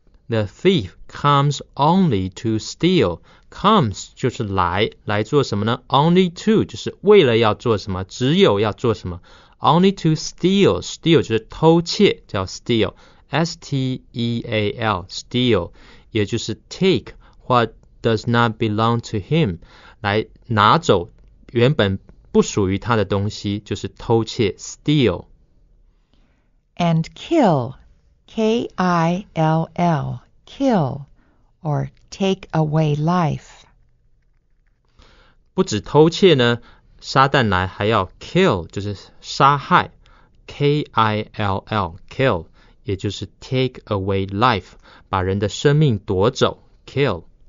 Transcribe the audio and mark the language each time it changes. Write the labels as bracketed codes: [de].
[en] The thief comes only to steal. [zh] Comes 就是来，来做什么呢？ [en] Only to [zh] 就是为了要做什么，只有要做什么。 [en] Only to steal, [zh] steal 就是偷窃，叫 steal. S-T-E-A-L, steal, 也就是 [en] take what does not belong to him, [zh] 来拿走原本不属于他的东西，就是偷窃 steal. [en] And kill, K-I-L-L, kill, or take away life. [zh] 不止偷窃呢，撒旦来还要 kill, 就是杀害 ,K-I-L-L, kill, 也就是 [en] take away life, [zh] 把人的生命夺走 ,kill.